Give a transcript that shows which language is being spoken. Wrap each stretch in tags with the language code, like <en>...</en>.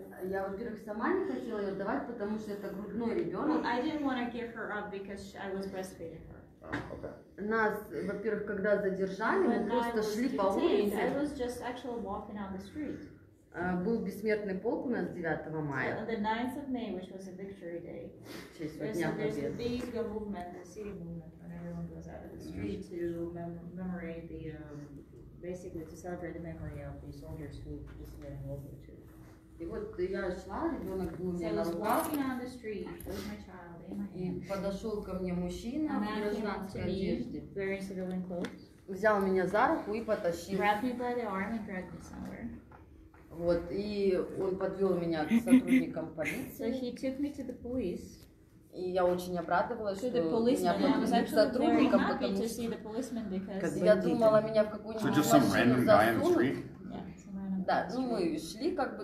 <ru>Я, во-первых, сама не хотела ее отдавать, потому что это грудной ребенок.</ru> <en>I didn't want to give her up because I was breastfeeding her.</en> <ru>Нас, во-первых, когда задержали, мы просто шли по улице.</ru> <en>I was just actually walking on the street.</en> <ru>Был бессмертный полк у нас 9 мая.</ru> <en>The 9th of May, which was a victory day. There's a big movement, a city movement, when everyone goes out of the street to commemorate the, basically to celebrate the memory of the soldiers who just went in World War II.</en> <ru>И вот я шла, ребенок был у меня на руках.</ru> <en>Walking on the street with my child in my hand.</en> <ru>Подошел ко мне мужчина в гражданской одежде.</ru> <en>Wearing civilian clothes.</en> <ru>Взял меня за руку и потащил.</ru> <en>Grabbed me by the arm and dragged me somewhere.</en> <ru>Вот, и он подвел меня к сотрудникам полиции.</ru> <en>So he took me to the police.</en> <ru>И я очень обрадовалась, что меня подвели к сотрудникам, потому что я думала, меня в какую-нибудь машину засунут. Да, ну мы шли как бы,</ru>